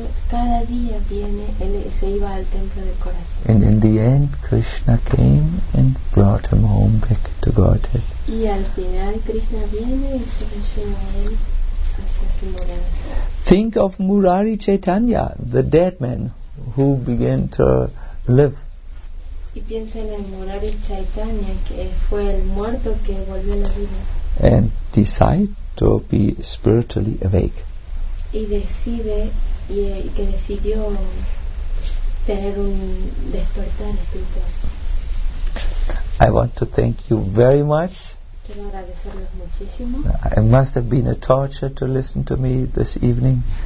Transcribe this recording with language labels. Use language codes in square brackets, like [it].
[es] Cada día viene, él se iba al templo del corazón. [en] And in the end, Krishna came and brought him home back to Godhead. [es] Y al final, Krishna viene y se lo lleva a él hacia su morada. [en] Think of Murari Chaitanya, the dead man who began to live. [es] Y piensen en Murari Chaitanya, que fue el muerto que volvió a la vida. [en] And decide to be spiritually awake. [es] Y decide y que decidió tener un despertar espiritual. [en] I want to thank you very much. [es] Quiero agradecerles muchísimo. [en] It must have been a torture to listen to me this evening.